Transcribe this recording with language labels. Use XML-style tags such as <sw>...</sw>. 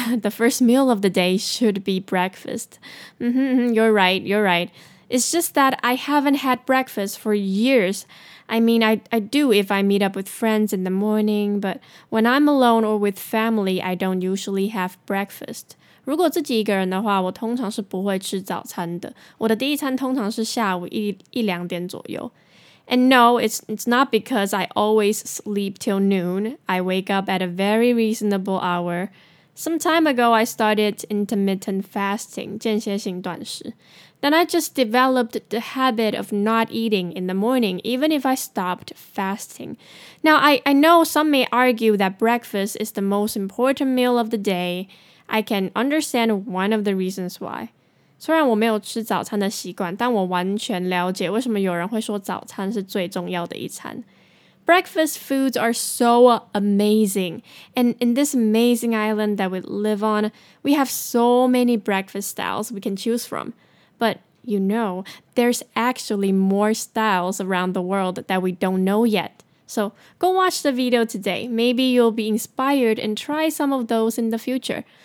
<en>The first meal of the day should be breakfast. You're right. It's just that I haven't had breakfast for years. I mean, I do if I meet up with friends in the morning, but when I'm alone or with family, I don't usually have breakfast.</en> <zh>如果自己一个人的话，我通常是不会吃早餐的。我的第一餐通常是下午一两点左右。</zh> <en>And no, it's not because I always sleep till noon. I wake up at a very reasonable hour. Some time ago, I started intermittent fasting, 间歇性断食. Then I just developed the habit of not eating in the morning, even if I stopped fasting. Now, I know some may argue that breakfast is the most important meal of the day. I can understand one of the reasons why.</en> <zh>虽然我没有吃早餐的习惯，但我完全了解为什么有人会说早餐是最重要的一餐。</zh> <en>Breakfast foods are so amazing. And in this amazing island that we live on, we have so many breakfast styles we can choose from. But, you know, there's actually more styles around the world that we don't know yet. So, go watch the video today. Maybe you'll be inspired and try some of those in the future.</en>